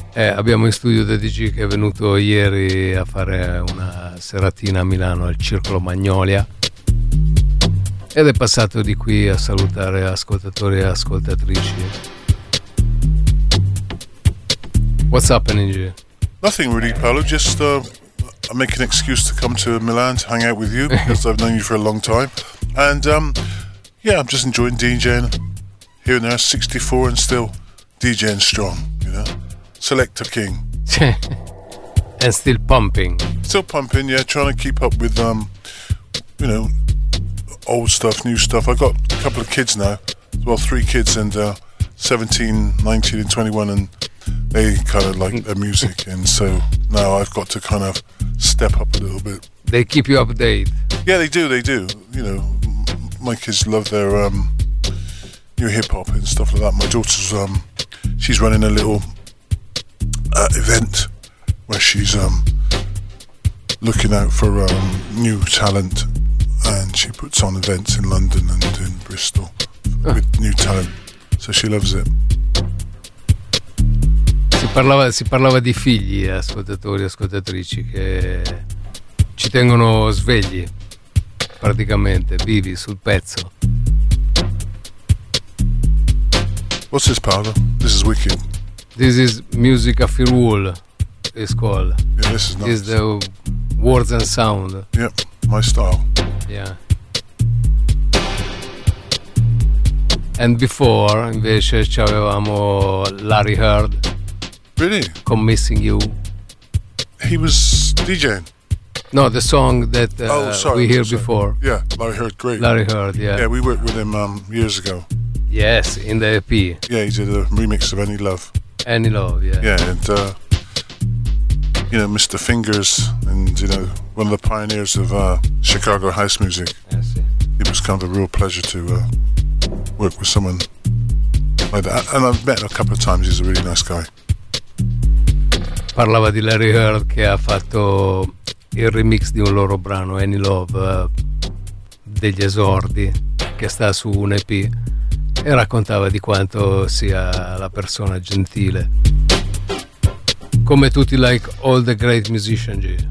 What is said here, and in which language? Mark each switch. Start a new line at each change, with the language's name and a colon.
Italian: Abbiamo in studio DJ, che è venuto ieri a fare una seratina a Milano al Circolo Magnolia, ed è passato di qui a salutare ascoltatori e ascoltatrici.
English: What's happening, DJ? Nothing really, Paolo. Just I make an excuse to come to Milan to hang out with you, because I've known you for a long time. And yeah, I'm just enjoying DJing here and there, 64 and still DJing strong, you know. Selector King. And still pumping. Still pumping, yeah, trying to keep up with, you know, old stuff, new stuff. I've got a couple of kids now, well, three kids, and 17, 19 and 21, and they kind of like their music, and so now I've got to kind of step up a little bit. They keep you updated. Yeah, they do. You know, my kids love their new hip-hop and stuff like that. My daughter's, she's running a little event where she's looking out for new talent, and she puts on events in London and in Bristol with new talent, so she loves it.
Italian: Si parlava di figli, ascoltatori e ascoltatrici, che ci tengono svegli, praticamente, vivi, sul pezzo.
English: What's this, Paolo? This is wicked. This is music of your wool, it's called. Yeah, this is nice. This is the words and sound. Yep, my style. Yeah. And before,
Italian: invece, ci avevamo Larry Heard.
English: Really? Come Missing You. He was DJing. No, the song that before. Yeah, Larry Heard, great. Larry Heard, yeah. Yeah, we worked with him years ago. Yes, in the EP. Yeah, he did a remix of Any Love. Any Love, yeah. Yeah, and, you know, Mr. Fingers, and, you know, one of the pioneers of Chicago house music. Yes, yeah. It was kind of a real pleasure to work with someone like that. And I've met him a couple of times. He's a really nice guy.
Italian: Parlava di Larry Heard, che ha fatto il remix di un loro brano, Any Love, degli Esordi, che sta su un EP, e raccontava di quanto sia la persona gentile, come tutti,
English: like all the great musicians.